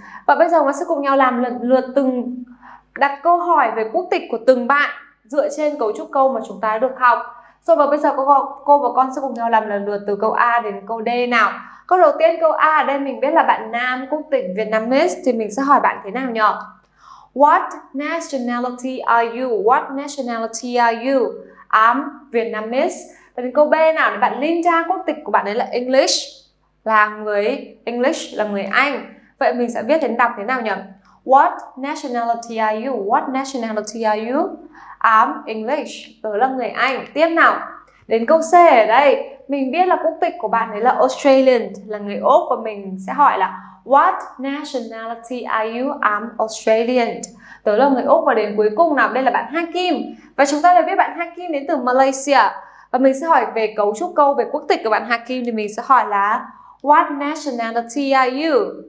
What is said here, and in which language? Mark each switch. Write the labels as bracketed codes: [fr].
[vi] Và bây giờ chúng ta sẽ cùng nhau làm lần lượt từng đặt câu hỏi về quốc tịch của từng bạn dựa trên cấu trúc câu mà chúng ta đã được học. Rồi và bây giờ cô và con sẽ cùng nhau làm lần lượt từ câu A đến câu D nào. Câu đầu tiên, câu A ở đây mình biết là bạn Nam quốc tịch Vietnamese thì mình sẽ hỏi bạn thế nào nhỉ? [en] What nationality are you? What nationality are you? I'm Vietnamese. [vi] Và đến câu B nào, bạn Linda quốc tịch của bạn ấy là English, là người English, là người Anh. Vậy mình sẽ viết đến đọc thế nào nhỉ? [en] What nationality are you? What nationality are you? I'm English. [vi] Tớ là người Anh. Tiếp nào. Đến câu C ở đây, mình biết là quốc tịch của bạn ấy là Australian, là người Úc. Và mình sẽ hỏi là [en] What nationality are you? I'm Australian. [vi] Tớ là người Úc. Và đến cuối cùng nào, đây là bạn Hakim. Và chúng ta đã biết bạn Hakim đến từ Malaysia. Và mình sẽ hỏi về cấu trúc câu về quốc tịch của bạn Hakim thì mình sẽ hỏi là [en] What nationality are you?